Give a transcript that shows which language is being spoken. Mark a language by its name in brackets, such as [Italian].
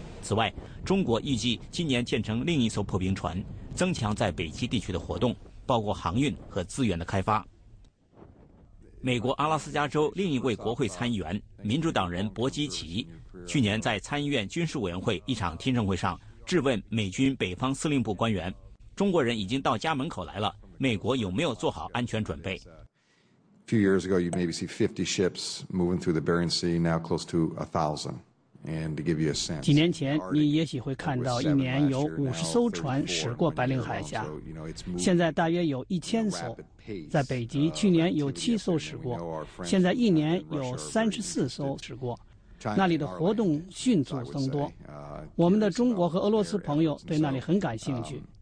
[Chinese] 此外，中国预计今年建成另一艘破冰船，增强在北极地区的活动，包括航运和资源的开发。美国阿拉斯加州另一位国会参议员民主党人伯基奇去年在参议院军事委员会一场听证会上质问美军北方司令部官员，中国人已经到家门口来了，美国有没有做好安全准备。 [English] A few years ago, you maybe see 50 ships moving through the Bering Sea, now close to 1,000. And to give you a sense, [Chinese] 几年前你也许会看到一年有50艘船驶过白令海峡，现在大约有1000艘。在北极，去年有7艘驶过，现在一年有34艘驶过。那里的活动迅速增多，我们的中国和俄罗斯朋友对那里很感兴趣。